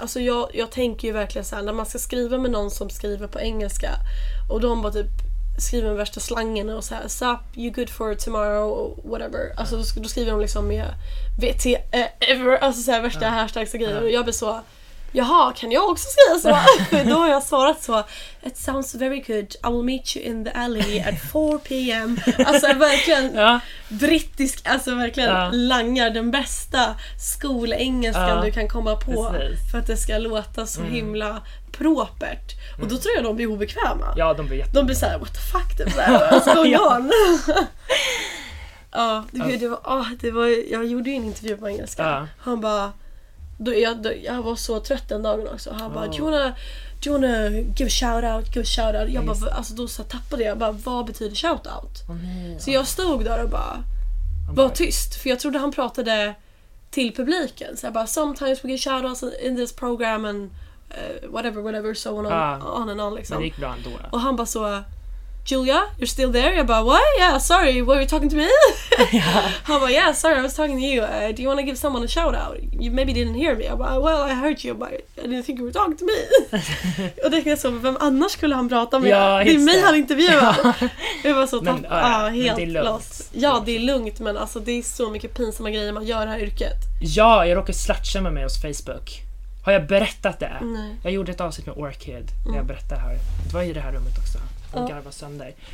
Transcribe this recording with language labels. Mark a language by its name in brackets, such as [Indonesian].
[Swedish] Alltså jag tänker ju verkligen så här, när man ska skriva med någon som skriver på engelska och de bara typ skriver med värsta slangen och så här, [English] sup, you good for tomorrow, whatever. [Swedish] Alltså då skriver de liksom med VT, ever, alltså så här, värsta hashtags och grejer. Och jag blir så, jaha, kan jag också skriva så? Då har jag svarat så, [English] it sounds very good, I will meet you in the alley at 4 p.m. [Swedish] Alltså verkligen brittisk, alltså verkligen langar den bästa skolengelskan du kan komma på. Precis. För att det ska låta så himla propert. Och då tror jag de blir obekväma. Ja, de blir jättebra. De blir såhär, [English] what the fuck, [Swedish] det är såhär, vad ska hon göra? Ja, det var, jag gjorde ju en intervju på engelska. Han bara, jag var så trött den dagen också. Han bara, [English] do you wanna give a shout out. [Swedish] Jag bara, alltså då så tappade jag, bara, vad betyder shout out? Så jag stod där och bara var tyst, för jag trodde han pratade till publiken. Så jag bara, [English] sometimes we give shout outs in this program and whatever, so on and on [Swedish] liksom. Det gick bra ändå. Och han bara så, [English] Julia, you're still there? [Swedish] Jag bara, [English] what? Yeah, sorry, were you talking to me? [Swedish] Han bara, [English] yeah, sorry, I was talking to you. Do you want to give someone a shout out? You maybe didn't hear me. [Swedish] Jag bara, [English] well, I heard you, but I didn't think you were talking to me. [Swedish] Och det är så, vem annars skulle han prata med? Ja, det är mig han intervjuar. Det var så helt lugnt. Ja, det är lugnt, men alltså, det är så mycket pinsamma grejer man gör i det här yrket. Ja, jag råkar slatcha med mig hos Facebook. Har jag berättat det? Nej. Jag gjorde ett avsnitt med Orchid när jag berättade det här. Det var i det här rummet också. Och garva sönder.